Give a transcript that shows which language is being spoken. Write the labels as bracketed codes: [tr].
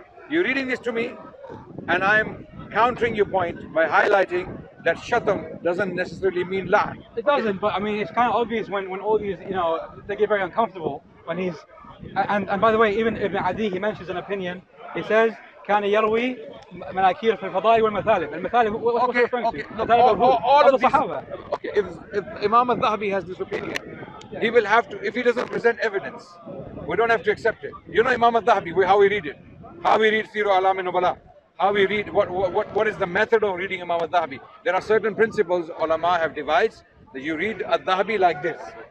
[en] You're reading this to me, and I'm countering your point by highlighting that shatam doesn't necessarily mean la'an. It doesn't, but I mean, it's kind of obvious when all these, they get very uncomfortable when he's... And by the way, even Ibn Adi, he mentions an opinion. [ar] He says, كان يروي مناكير في الفضائل والمثالب. [en] المثالب, what's referring to? All of the Sahaba. Okay, if Imam al-Dhahabi has this opinion, he will have to, if he doesn't present evidence, we don't have to accept it. You know Imam al-Dhahabi, how we read it. How we read Sirah Alam al-Nubala. How we read, what is the method of reading Imam al-Dhahabi? There are certain principles ulama have devised that you read al-Dhahabi like this.